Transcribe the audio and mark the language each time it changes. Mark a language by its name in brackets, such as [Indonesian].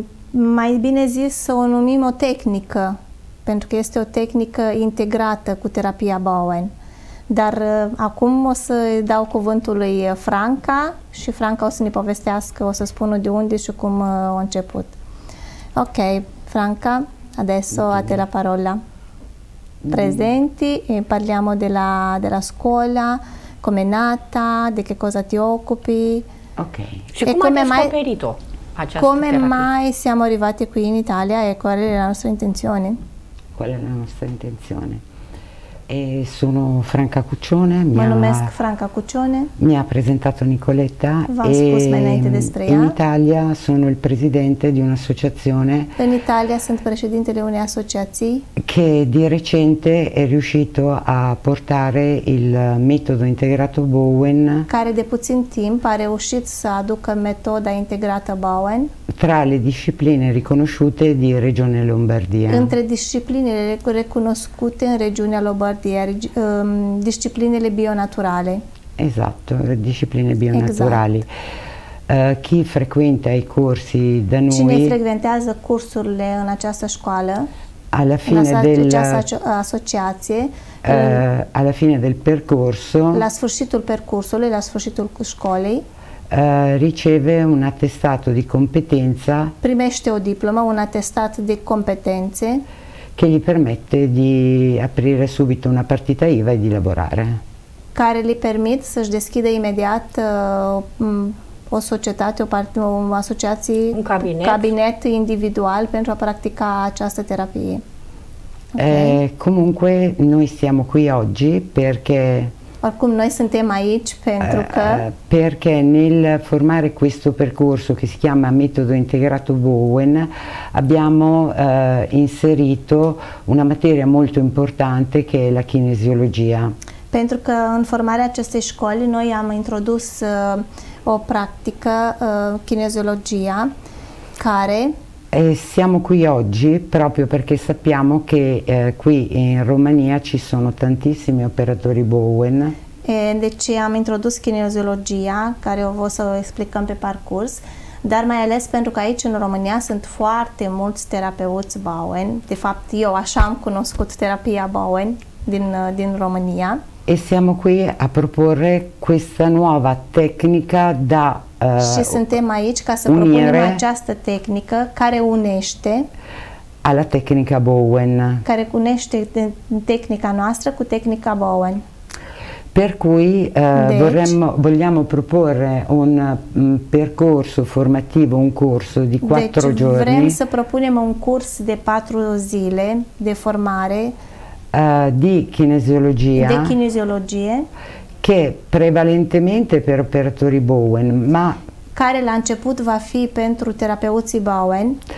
[Romanian] Mai bine zis să o numim o tehnică, pentru că este o tehnică integrată cu terapia Bowen. Dar acum o să dau cuvântul lui Franca și Franca o să ne povestească, o să spună de unde și cum a început. [Italian] Ok, Franca, adesso a te la parola. Presenti e parliamo della scuola, come è nata, di che cosa ti occupi. Ok. E come hai scoperto questa Come terapia? Mai siamo arrivati qui in Italia e qual è la nostra intenzione? Qual è la nostra intenzione? Sono Franca Cuccione. Franca Cuccione. Mi ha presentato Nicoletta. In Italia sono il presidente di un'associazione. In Italia sono presidente di un'associazione. Che di recente è riuscito a portare il metodo integrato Bowen. [Romanian] Care de puțin timp a reușit să aducă metoda integrată Bowen. [Italian] Tra le discipline riconosciute di Regione Lombardia. [Romanian] Între disciplinele recunoscute in Regiunea Lombardia. Disciplinele bionaturale. [Italian] Esatto, discipline bionaturali. Esatto. Chi frequenta i corsi da noi? [Romanian] Cine frequentează cursurile în această școală? [Italian] Alla fine del [Romanian] associație. [Italian] Alla fine del percorso. [Romanian] La sfârșitul percursului, la sfârșitul școlii. [Italian] Riceve un attestato di competenza. [Romanian] Primește o diplomă, un atestat de competențe. [Italian] Che gli permette di aprire subito una partita IVA e di lavorare. [Romanian] Care li permit să-și deschidă imediat o societate, o associație, un cabinet. Cabinet individual pentru a practica această terapie. Okay. [Italian] Comunque noi stiamo qui oggi perché [Romanian] Oricum, noi suntem aici pentru că [Italian] perché nel formare questo percorso che si chiama metodo integrato Bowen abbiamo inserito una materia molto importante che è la kinesiologia. [Romanian] Pentru că în formarea acestei școli noi am introdus o practică kinesiologia care [Italian] E siamo qui oggi proprio perché sappiamo che qui in Romania ci sono tantissimi operatori Bowen. [Romanian] E deci am introdus kinesiologia, care o vă să o explicăm pe parcurs, dar mai ales pentru că aici în România sunt foarte mulți terapeuți Bowen. De fapt, eu așa am cunoscut terapia Bowen din România. [Italian] E siamo qui a proporre questa nuova tecnica da [Romanian] Și suntem aici ca să propunem această tehnică care unește [Italian] alla tecnica Bowen. [Romanian] Care unește tehnica noastră cu tecnica Bowen. [Italian] Per cui vogliamo proporre un percorso formativo, un corso di 4 giorni. [Romanian] Vrem să propunem un curs de 4 zile de formare [Italian] Di kinesiologia. [Romanian] De kinesiologie. [Italian] Che prevalentemente per operatori Bowen, ma [Romanian] care la început va fi pentru terapeuții Bowen.